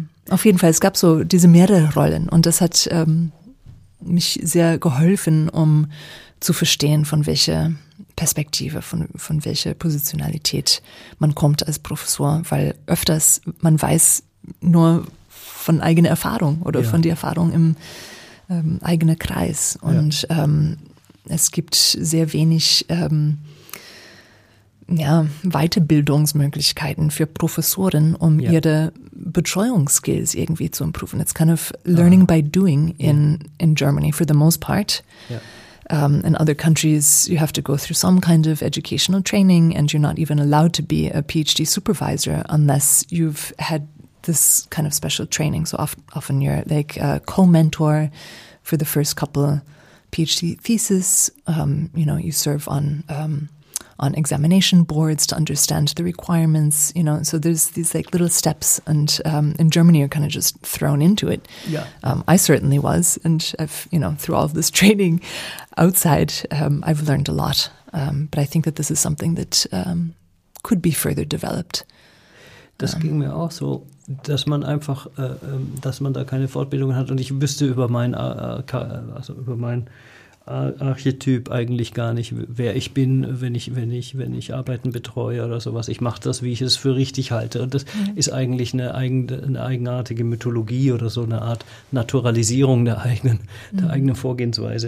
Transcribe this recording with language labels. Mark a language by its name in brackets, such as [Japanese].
[German] Auf jeden Fall, es gab so diese mehrere Rollen und das hat mich sehr geholfen, um zu verstehen, von welcher Perspektive, von welcher Positionalität man kommt als Professor, weil öfters, man weiß nur von eigener Erfahrung oder von der Erfahrung im eigenen Kreis und es gibt sehr wenig Weiterbildungsmöglichkeiten für Professoren, um ihre Betreuungsskills irgendwie zu improven. [English] It's kind of learning by doing in Germany for the most part. Yeah. In other countries, you have to go through some kind of educational training, and you're not even allowed to be a PhD supervisor unless you've had this kind of special training. So often you're like a co-mentor for the first couple PhD thesis. You know, you serve on examination boards to understand the requirements, you know. So there's these like little steps, and in Germany you're kind of just thrown into it. Yeah, I certainly was, and I've, you know, through all of this training outside, I've learned a lot. But I think that this is something that could be further developed. [German] Das ging mir auch so, dass man einfach, dass man da keine Fortbildungen hat, und ich wüsste über mein, also über mein Archetyp eigentlich gar nicht, wer ich bin, wenn ich Arbeiten betreue oder sowas. Ich mache das, wie ich es für richtig halte. Und das ist eigentlich eine eigenartige Mythologie oder so eine Art Naturalisierung der eigenen Vorgehensweise.